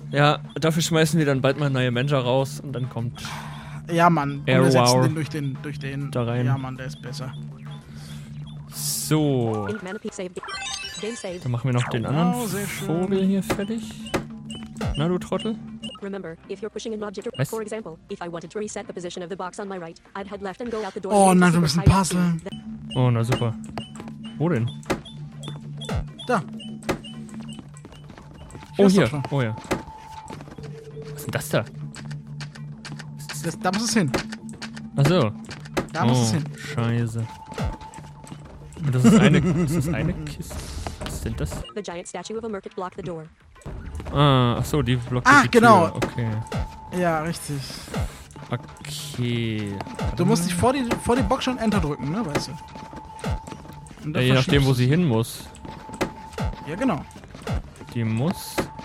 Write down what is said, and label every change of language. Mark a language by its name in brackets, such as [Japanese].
[German] Ja, dafür schmeißen wir dann bald mal neue Manager raus. Und dann kommt... Ja, Mann. Error. Und wir setzen den durch den... Da rein. Ja, Mann, der ist besser. So. Dann machen wir noch den anderen Vogel hier fertig. Na du Trottel. [English] Remember, if you're pushing an object, for example, if I wanted to reset the position of the box on my right, I'd head left and go out the door. [German] Oh nein, wir müssen puzzeln. Oh na super. Wo denn? Da. Oh hier. Oh ja. Was ist denn das da? Da muss es hin. Ach so. Da muss es hin. Scheiße. Und das ist eine. Das ist eine Kiste. Sind das? [English] The giant statue of a Merkit blocked the door. [German] Ah, ach so, die blockt die Tür. Ah, genau. Okay. Ja, richtig. Okay. Du musst dich vor die Box schon Enter drücken, ne, weißt du? Ja, je nachdem, wo sie hin muss. Ja, genau. Die muss.